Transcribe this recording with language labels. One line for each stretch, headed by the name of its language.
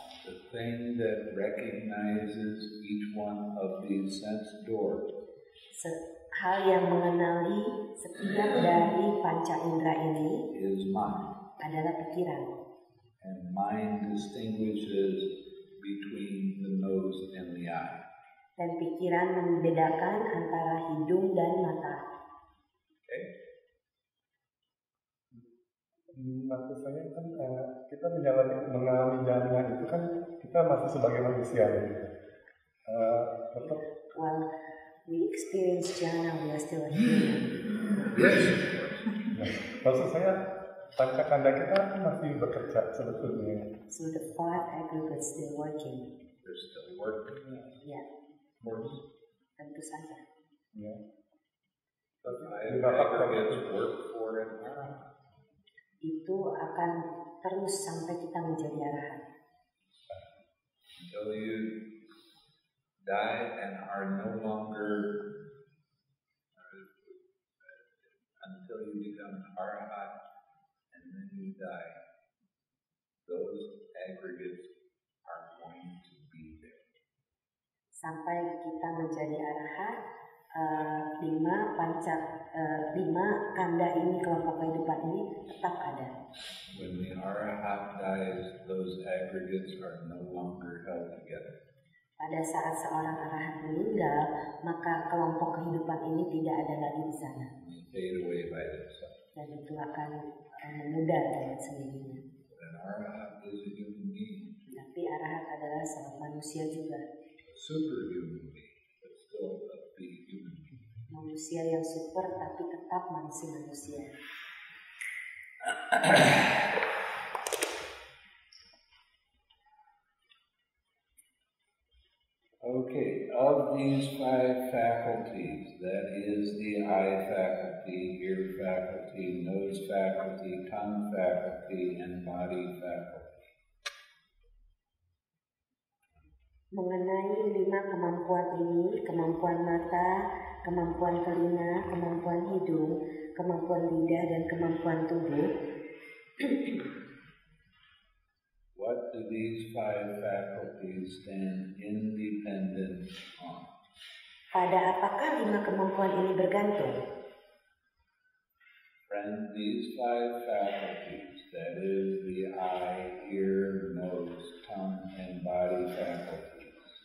English: The thing that recognizes each one of these sense doors.
Indonesian: Hal yang mengenali setiap dari panca indera ini
English: is mind.
Indonesian: Adalah pikiran.
English: And mind distinguishes between the nose and the eye.
Indonesian: Dan pikiran membedakan antara hidung dan mata.
English: Okay.
Indonesian: Maksud saya kan kita mengalami jalannya itu kan kita masih sebagai manusia. Tetap.
English: Well, we experience jana, we are still a human. Yes.
Indonesian: Maksud saya panca kanda kita masih bekerja sebetulnya.
English: So the five aggregates still working. They're still working. Yeah. More.
Indonesian: Tentu saja.
English: Yeah. The five aggregates work for it.
Indonesian: Itu akan terus sampai kita menjadi arahan.
English: Until you die and are no longer until you become arahat and then you die, those aggregates are going to be there.
Indonesian: Sampai kita menjadi arahat, lima panca lima kanda ini kelompok kehidupan ini tetap ada.
English: When the arahat dies, those aggregates are no longer held together.
Indonesian: Pada saat seorang arahat meninggal, maka kelompok kehidupan ini tidak ada lagi di sana.
English: They fade away by themselves.
Indonesian: Dan itu akan memudar dengan sendirinya.
English: But an arahat is a human being.
Indonesian: Tapi arahat adalah seorang manusia juga.
English: Superhuman being, but still a big human being.
Indonesian: Manusia yang super tapi tetap masih manusia.
English: Okay, of these five faculties, that is the eye faculty, ear faculty, nose faculty, tongue faculty, and body faculty.
Indonesian: Mengenai lima kemampuan ini, kemampuan mata, kemampuan telinga, kemampuan hidung, kemampuan lidah, dan kemampuan tubuh.
English: What do these five faculties stand independent on?
Indonesian: Pada apakah lima kemampuan ini bergantung?
English: Friend, these five faculties, that is the eye, ear, nose, tongue, and body faculties.